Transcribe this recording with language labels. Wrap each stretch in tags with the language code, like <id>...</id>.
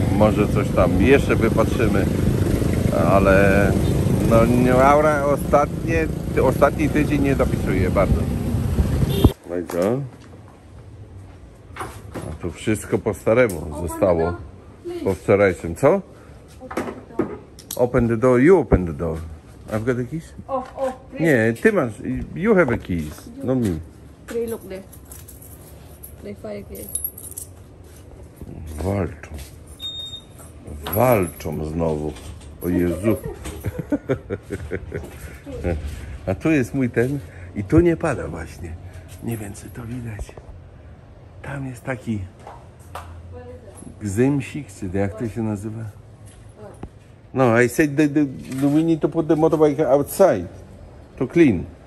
<pl>Może coś tam jeszcze wypatrzymy. Ale no aura ostatni tydzień nie dopisuje bardzo. No i co? A tu wszystko po staremu zostało. Po wczorajszym. Co?</pl> <en>Open the door, you open the door. I've got the keys? Oh,</en> <pl>nie, ty masz,</pl> <en>you have the keys, not me. Three, look there. The fire case.</en> <pl>Walczą. Walczą znowu. O Jezu. A tu jest mój ten i tu nie pada właśnie. Nie wiem, czy to widać. Tam jest taki gzymsik, czy jak to się nazywa?</pl> <en>No, I said that we need to put the motorbike outside to clean.</en>